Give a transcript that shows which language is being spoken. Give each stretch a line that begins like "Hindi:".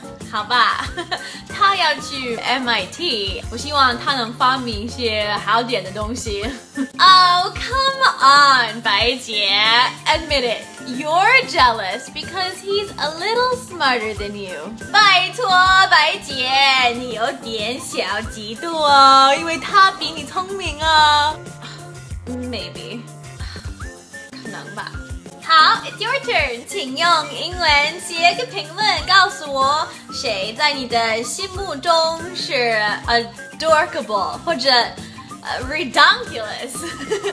Chinese: 好吧，他要去 MIT， 我希望他能发明一些好点的东西。
English: Oh, come on, 白姐 admit it, you're jealous because he's a little smarter than you.
Chinese: 拜托，白姐，你有点小嫉妒哦，因为他比你聪明啊。
English: Maybe，
Chinese: 可能吧。好 ，
English: It's your turn，
Chinese: 请用英文写个评论，告诉我谁在你的心目中是 adorkable 或者 redonkulous。